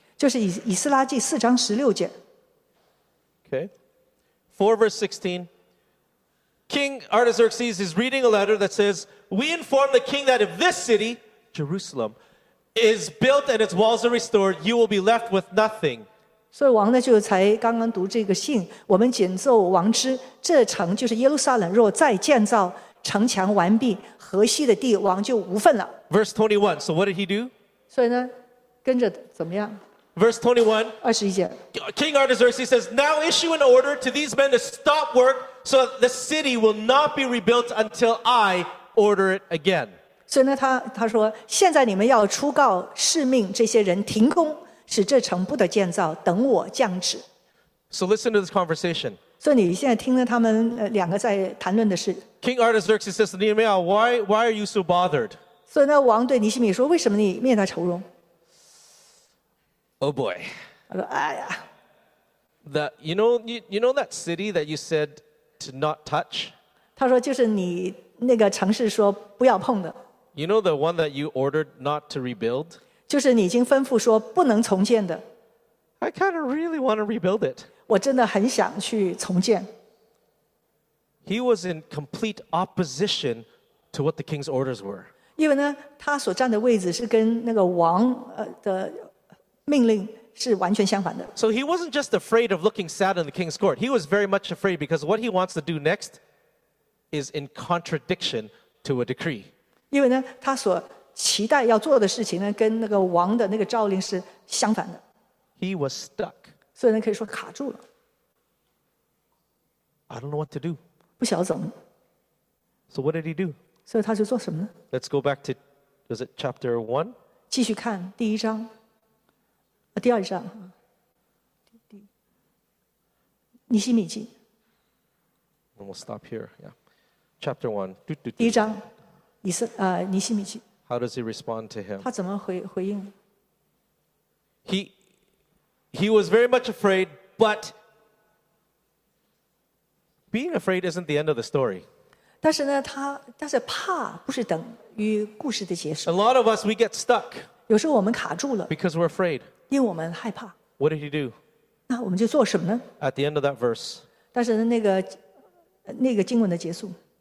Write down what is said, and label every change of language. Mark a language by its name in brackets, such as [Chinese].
[Chinese] 就是以斯拉记四章十六节。 [English] Okay. 4 verse 16. King Artaxerxes is reading a letter that says, "We inform the king that if this city, Jerusalem, is built and its walls are restored, you will be left with nothing." [Chinese] 所以王呢就才刚刚读这个信，我们谨奏王知，这城就是耶路撒冷，若再建造。城墙完毕，河西的地王就无份了。 [English] Verse 21. So what did he do? [Chinese] 所以呢，跟着怎么样 [English] ？Verse 21. [Chinese] 二十一节。 [English] King Artaxerxes says, "Now issue an order to these men to stop work, so that the city will not be rebuilt until I order it again." [Chinese] 所以呢，他说，现在你们要出告，是命这些人停工，使这城不得建造，等我降旨。 [English] So listen to this conversation. [Chinese] 所以你现在听了他们两个在谈论的事。 [English] King Artaxerxes says to Nehemiah, why are you so bothered? [Chinese] 所以呢，王对尼希米说，为什么你面带愁容 [English] ？Oh boy. [Chinese] 他说，哎呀。 [English] You know that city that you said to not touch? [Chinese] 他说，就是你那个城市说不要碰的。 [English] You know the one that you ordered not to rebuild? [Chinese] 就是你已经吩咐说不能重建的。 [English] I kind of really want to rebuild it. [Chinese] 我真的很想去重建。 [English] He was in complete opposition to what the king's orders were. [Chinese] 因为呢，他所站的位置是跟那个王的命令是完全相反的。 [English] So he wasn't just afraid of looking sad in the king's court. He was very much afraid because what he wants to do next is in contradiction to a decree. [Chinese] 因为呢，他所期待要做的事情呢，跟那个王的那个诏令是相反的。 [English] He was stuck. [Chinese] 所以呢，可以说卡住了。 [English] I don't know what to do. [Chinese] 不晓得怎么。 [English] So what did he do? [Chinese] 所以他就做什么呢 [English] ？Let's go back to, was it chapter one? [Chinese] 继续看第一章，第二章，尼希米记。 [English] And we'll stop here. Yeah, chapter one. [Chinese] 第一章，尼希米记。 [English] How does he respond to him? [Chinese] 他怎么回应 [English] ？He was very much afraid, but. Being afraid isn't the end of the story. [Chinese] 但是呢，但是怕不是等于故事的结束。 [English] A lot of us we get stuck. [Chinese] 有时候我们卡住了。 [English] Because we're afraid. [Chinese] 因为我们害怕。 [English] What did he do? [Chinese] 那我们就做什么呢 [English] ？At the end of that verse. [Chinese] 但是呢，那个经文的结束。